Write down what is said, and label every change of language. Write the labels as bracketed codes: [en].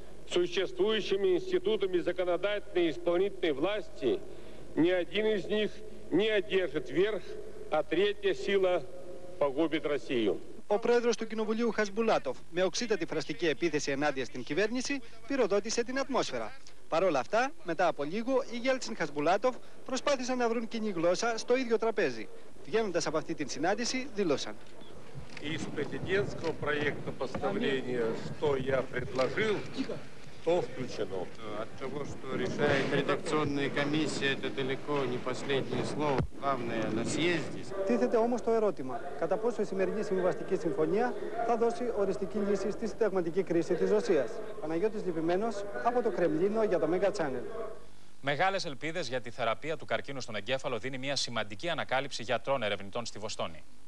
[ru] Существующими институтами законодательной и исполнительной власти ни один из них не одержит верх, а третья сила погубит Россию. [el] Ο πρόεδρος του Κοινοβουλίου Χασμπουλάτοφ, με οξύτατη φραστική επίθεση ενάντια στην κυβέρνηση, πυροδότησε την ατμόσφαιρα. Παρ' όλα αυτά, μετά από λίγο, οι Γέλτσιν Χασμπουλάτοφ προσπάθησαν να βρουν κοινή γλώσσα στο ίδιο τραπέζι. Βγαίνοντας από αυτή την συνάντηση, δήλωσαν. [ru] Из президентского проекта постановления, что я предложил, то включено. От того, что решает редакционная комиссия, это далеко не последнее слово. Главное, на съезде. [el] Тыцете, όμως, το ερώτημα. Κατά πόσο η σημερινή συμβιβαστική συμφωνία θα δώσει οριστική λύση στη συνταγματική κρίση της Ρωσίας. Παναγιώτης Λυπημένος από το Κρεμλίνο για το Mega Channel. Μεγάλες ελπίδες για τη θεραπεία του καρκίνου στον εγκέφαλο δίνει μια σημαντική ανακάλυψη γιατρών ερευνητών στη Βοστόνη.